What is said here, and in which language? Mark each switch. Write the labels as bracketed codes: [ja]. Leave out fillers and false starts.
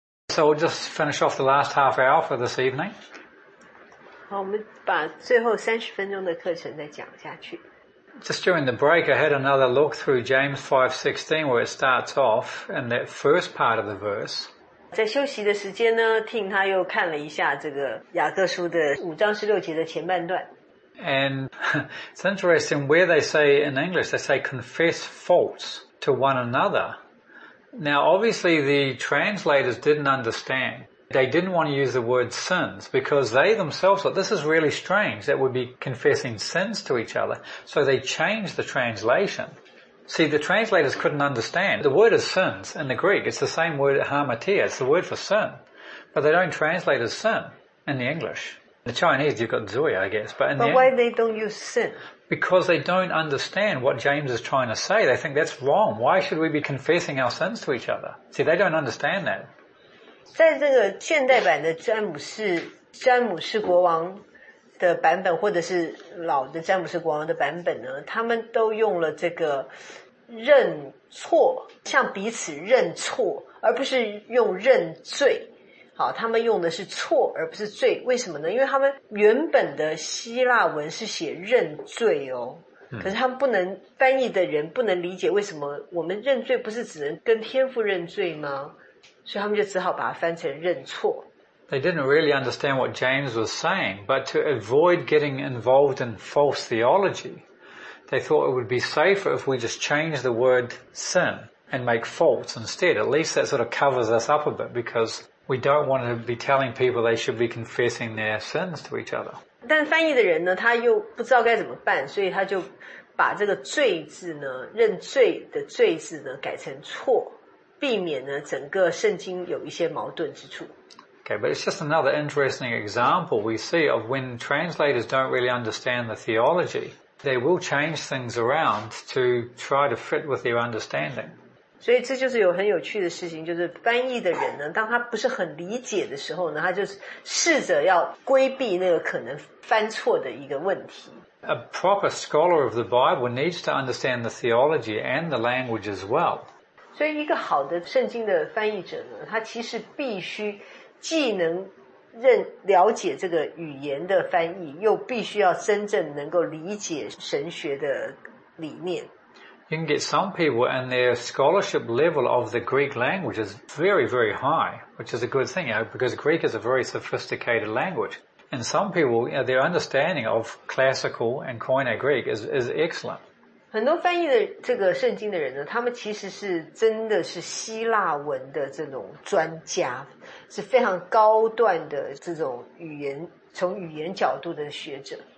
[en] so we'll just finish off the last half hour for this evening. [zh] 好，我们把最后三十分钟的课程再讲下去。 [en] Just during the break, I had another look through James 5:16, where it starts off in that first part of the verse. [zh] 在休息的时间呢，听他又看了一下这个雅各书的五章十六节的前半段。 [en] And it's interesting where they say in English, they say confess faults to one another. Now, obviously, the translators didn't understand. They didn't want to use the word sins because they themselves thought this is really strange that we'd be confessing sins to each other. So they changed the translation. See, the translators couldn't understand. The word is sins in the Greek. It's the same word hamartia. It's the word for sin. But they don't translate as sin in the English. In the Chinese, you've got zui, I guess. But, but why they don't use sin? Because they don't understand what James is trying to say. They think that's wrong. Why should we be confessing our sins to each other? See, they don't understand that. [zh] 在这个现代版的詹姆士，詹姆士国王的版本，或者是老的詹姆士国王的版本呢，他们都用了这个认错，向彼此认错，而不是用认罪。好，他们用的是错而不是罪，为什么呢？因为他们原本的希腊文是写认罪哦，可是他们不能翻译的人不能理解为什么我们认罪不是只能跟天父认罪吗？所以他们就只好把它翻成认错。 [en] They didn't really understand what James was saying, but to avoid getting involved in false theology, they thought it would be safer if we just change the word sin and make faults instead. At least that sort of covers us up a bit because. We don't want to be telling people they should be confessing their sins to each other. [zh] 但翻译的人呢，他又不知道该怎么办，所以他就把这个罪字呢，认罪的罪字呢，改成错，避免呢整个圣经有一些矛盾之处。 [en] Okay, but it's just another interesting example we see of when translators don't really understand the theology, they will change things around to try to fit with their understanding. [zh] 所以这就是有很有趣的事情，就是翻译的人呢，当他不是很理解的时候呢，他就试着要规避那个可能翻错的一个问题。 [en] A proper scholar of the Bible needs to understand the theology and the language as well. [zh] 所以一个好的圣经的翻译者呢，他其实必须既能认了解这个语言的翻译，又必须要真正能够理解神学的理念。 [en] You can get some people and their scholarship level of the Greek language is very, very high, which is a good thing, you know, because Greek is a very sophisticated language. And some people, you know, their understanding of classical and Koine Greek is excellent. [zh] 很多翻译的这个圣经的人呢，他们其实是真的是希腊文的这种专家，是非常高段的这种语言，从语言角度的学者。